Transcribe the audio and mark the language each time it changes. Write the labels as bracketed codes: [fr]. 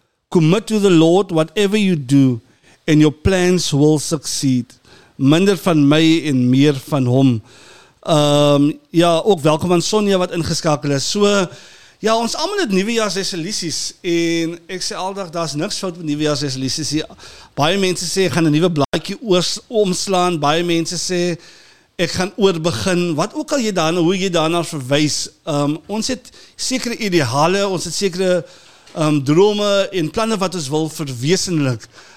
[en] Commit to the Lord, whatever you do, and your plans will succeed. [af] Minder van my en meer van hom. Ja, ook welkom aan Sonja wat ingeskakel is. So, ja, ons allemaal het nuwejaars resolusies. En ek sê aldag, daar is niks fout met nuwejaars resolusies. Baie mense sê, ek gaan 'n nuwe blaadjie oomslaan. Baie mense sê, ek gaan oorbegin. Wat ook al jy daarna, hoe jy daarna verwys. Ons het sekere ideale, ons het sekere drome en planne wat ons wil verwesenlik.